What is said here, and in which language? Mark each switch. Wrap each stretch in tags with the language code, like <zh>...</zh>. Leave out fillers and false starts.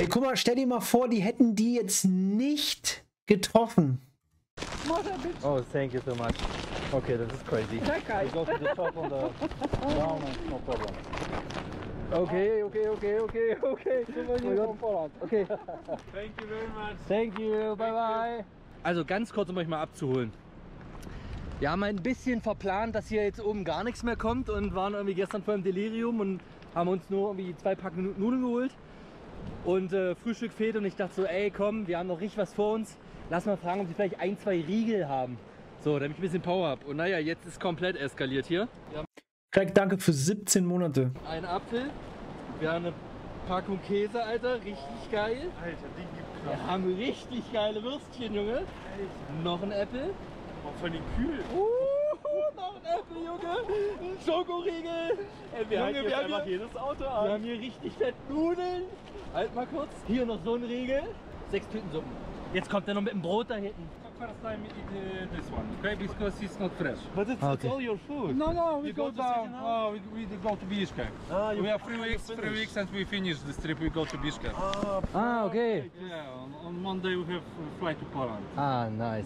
<de>Hey, guck mal, stell dir mal vor, die hätten die jetzt nicht getroffen.</de> <en>Oh, thank you so much. Okay, this is crazy. We go to the top on the down, no problem. Okay. So Poland. Okay. Thank you very much. Thank you, bye.</en> <de>Also ganz kurz, um euch mal abzuholen. Wir haben ein bisschen verplant, dass hier jetzt oben gar nichts mehr kommt und waren irgendwie gestern voll im Delirium und haben uns nur irgendwie zwei Packen Nudeln geholt und Frühstück fehlt und ich dachte so, ey komm, wir haben noch richtig was vor uns. Lass mal fragen, ob sie vielleicht ein, zwei Riegel haben. So, damit ich ein bisschen Power habe. Und naja, jetzt ist komplett eskaliert hier. Craig, danke für 17 Monate. Ein Apfel. Wir haben eine Packung Käse, Alter. Richtig geil. Alter, die gibt's krass. Wir haben richtig geile Würstchen, Junge. Alter. Noch ein Apple. Oh, voll die kühl. Noch ein Apple, Junge. Ein Schokoriegel. Wir haben hier richtig fett Nudeln. Halt mal kurz. Hier noch so ein Riegel. 6 Tütensuppen. Jetzt kommt er noch mit dem Brot da hinten.</de> <en>First time eat this one, okay? Because it's not fresh. But it's all your food. No, we go down. We go to Bishkek. We have three weeks and we finish this trip. We go to Bishkek. Okay. Yeah, on Monday we have a flight to Poland. Ah, nice.</en>